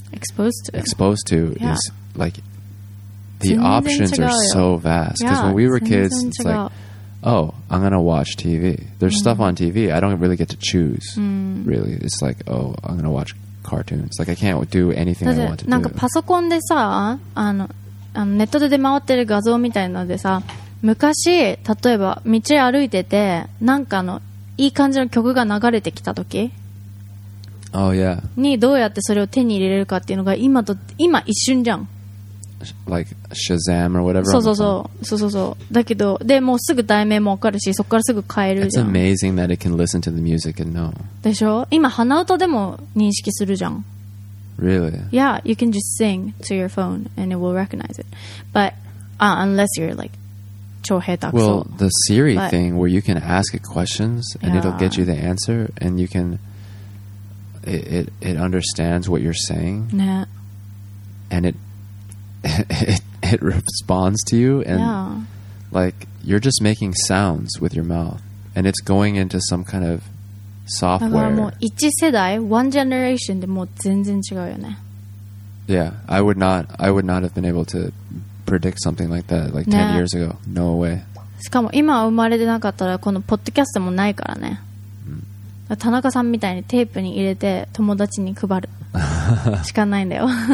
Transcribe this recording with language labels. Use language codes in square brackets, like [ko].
[en] exposed to yeah. is like the options are so vast. Because yeah, when we were kids, it's like, oh, I'm going to watch TV. There's mm. stuff on TV. I don't really get to choose, mm. really. It's like, oh, I'm going to watch cartoons. Like, I can't do anything I want to do. [ja] パソコンでさ、ネットで出回ってる画像みたいなのでさ、昔、例えば道歩いてて、なんかいい感じの曲が流れてきた時、 [en] oh, yeah. [ja] にどうやってそれを手に入れるかっていうのが今一瞬じゃん。 [en] Like Shazam or whatever. [ja] そうそうそう。そうそうそう。だけど、でもうすぐ題名もわかるし、そこからすぐ変えるじゃん。 [en] It's amazing that it can listen to the music and know. [ja] でしょ？今鼻歌でも認識するじゃん。 [en] Really? Yeah, you can just sing to your phone and it will recognize it. But unless you're like [ja] 超下手くそ。 [en] Well, the Siri thing where you can ask it questions and yeah. it'll get you the answer and you can it understands what you're saying. Yeah. And it responds to you and yeah. like you're just making sounds with your mouth and it's going into some kind of software. [ja] だからもう一世代 [en] one generation [ja] でもう全然違うよね。 [en] Yeah, I would not have been able to predict something like that like 10 years ago. No way. [ja] しかも今生まれてなかったらこのポッドキャストもないからね。田中さんみたいにテープに入れて友達に配るしかないんだよ。